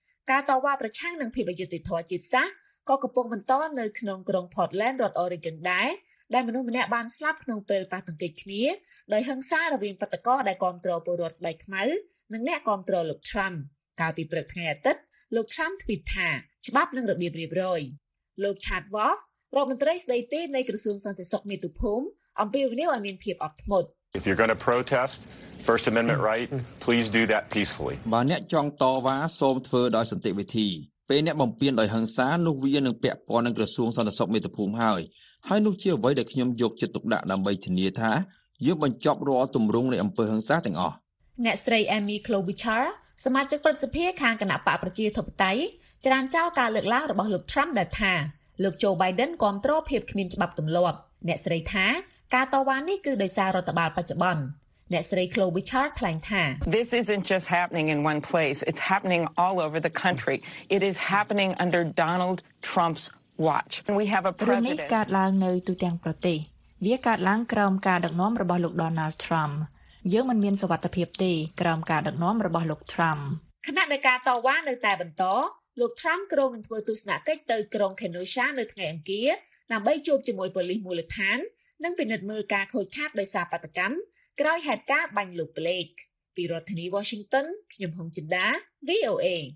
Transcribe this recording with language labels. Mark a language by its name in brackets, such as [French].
[Khmer] ការតវ៉ាប្រឆាំងនឹងភាពអយុត្តិធម៌ជាតិសាសន៍ក៏កំពុងបន្តនៅក្នុងក្រុង Portland រដ្ឋ Oregon ដែរដែលមនុស្សម្នាក់បានស្លាប់ក្នុងពេលប៉ះទង្គិចគ្នាដោយហិង្សារវាងបាតុករដែលគ្រប់គ្រងពលរដ្ឋស្បែកខ្មៅនិងអ្នកគ្រប់គ្រងលោក Trump កាលពីព្រឹកថ្ងៃអាទិត្យលោក Trump ទ្វីតថាច្បាប់និងរបៀបរៀបរយលោក Chad Wolf រដ្ឋមន្ត្រីស្ដីទីនៃក្រសួងសន្តិសុខមាតុភូមិអំពាវនាវឲ្យមានភាពអត់ធ្មត់ [English] If you're going to protest First Amendment right please do that peacefully [Khmer] បើអ្នកចង់តវ៉ាសូមធ្វើដោយសន្តិវិធីពេលអ្នកបំពានដោយហិង្សានោះវានឹងពាក់ព័ន្ធនឹងក្រសួងសន្តិសុខមាតុភូមិហើយហើយនោះជាអ្វីដែលខ្ញុំយកចិត្តទុកដាក់ដើម្បីធានាថាយើងបញ្ចប់រាល់ទម្រង់នៃអំពើហិង្សាទាំងអស់អ្នកស្រី Amy Klobuchar សមាជិកប្រតិភូខាងគណៈបកប្រជាធិបតេយ្យច្រានចោលការលើកឡើងរបស់លោក Trump ដែលថាលោក Joe Biden គ្រប់គ្រងភាពគ្មានច្បាប់ទម្លាប់អ្នកស្រីថាការតវ៉ានេះគឺដោយសាររដ្ឋបាលបច្ចុប្បន្នអ្នកស្រី Klobuchar ថ្លែងថា [English] This isn't just happening in one place it's happening all over the country it is happening under Donald Trump's watch and we have a president [Khmer] កាត់ឡើងនៅទូទាំងប្រទេសវាកាត់ឡើងក្រោមការដឹកនាំរបស់លោក Donald Trump យើងមិនមានសុវត្ថិភាពទេក្រោមការដឹកនាំរបស់លោក Trump គណៈដឹកការតវ៉ានៅតែបន្តលោក Trump គ្រោងនឹងធ្វើទស្សនកិច្ចទៅក្រុង Kenosha នៅថ្ងៃអង្គារដើម្បីជួបជាមួយប៉ូលីសមូលដ្ឋាននិងពិនិត្យមើលការខូចខាតដោយសារបាតុកម្មក្រោយហេតុការណ៍បាញ់លោក Blake ពីរដ្ឋធានី Washington ខ្ញុំហុងចិន្តា VOA